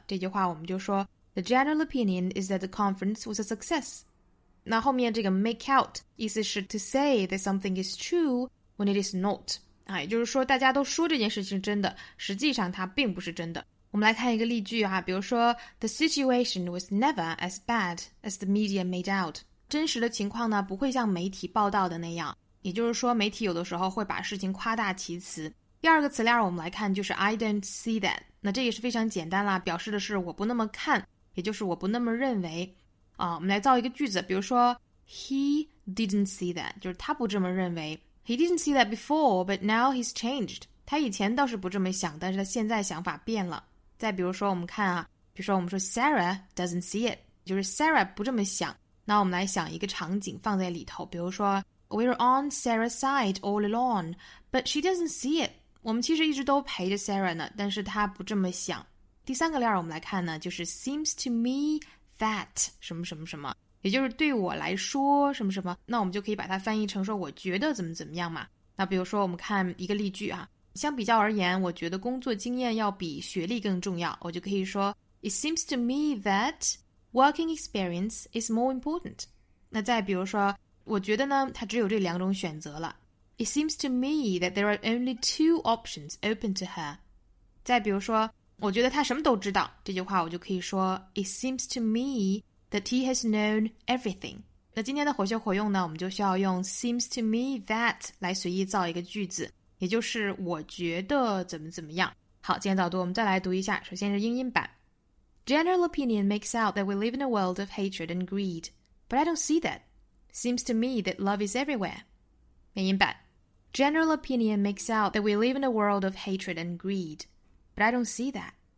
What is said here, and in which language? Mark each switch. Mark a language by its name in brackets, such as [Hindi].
[Chinese] 这句话我们就说 [English] ，The general opinion is that the conference was a success。 [Chinese] 那后面这个 [English] make out [Chinese] 意思是 [English] to say that something is true when it is not。 [Chinese] 啊，也就是说大家都说这件事情真的，实际上它并不是真的。我们来看一个例句啊，比如说 [English] ，The situation was never as bad as the media made out。 [Chinese] 真实的情况呢，不会像媒体报道的那样。也就是说，媒体有的时候会把事情夸大其词。第二个词链我们来看，就是 [English] I don't see that。 [Chinese] 那这也是非常简单啦，表示的是我不那么看，也就是我不那么认为。啊，我们来造一个句子，比如说 ， [English] He didn't see that， [Chinese] 就是他不这么认为。 [English] He didn't see that before， but now he's changed。 [Chinese] 他以前倒是不这么想，但是他现在想法变了。再比如说，我们看啊，比如说我们说 [English] Sarah doesn't see it， [Chinese] 就是 Sarah 不这么想。那我们来想一个场景放在里头，比如说 [English] We're on Sarah's side all along， but she doesn't see it。 [Chinese] 我们其实一直都陪着 Sarah 呢，但是她不这么想。第三个链我们来看呢，就是 [English] seems to me that [Chinese] 什么什么什么，也就是对我来说什么什么。那我们就可以把它翻译成说我觉得怎么怎么样嘛。那比如说我们看一个例句啊。相比较而言，我觉得工作经验要比学历更重要。我就可以说 [English] ，It seems to me that working experience is more important。 [Chinese] 那再比如说，我觉得呢，它只有这两种选择了。 [English] It seems to me that there are only two options open to her。 [Chinese] 再比如说，我觉得他什么都知道。这句话我就可以说 [English] ，It seems to me that he has known everything。 [Chinese] 那今天的活学活用呢，我们就需要用 [English] seems to me that [Chinese] 来随意造一个句子。也就是我觉得怎么怎么样。好，今天早读我们再来读一下，首先是英音版。 [English] General opinion makes out that we live in a world of hatred and greed, but I don't see that. Seems to me that love is everywhere. [Chinese] 美音版。 [English] General opinion makes out that we live in a world of hatred and greed, but I don't see that.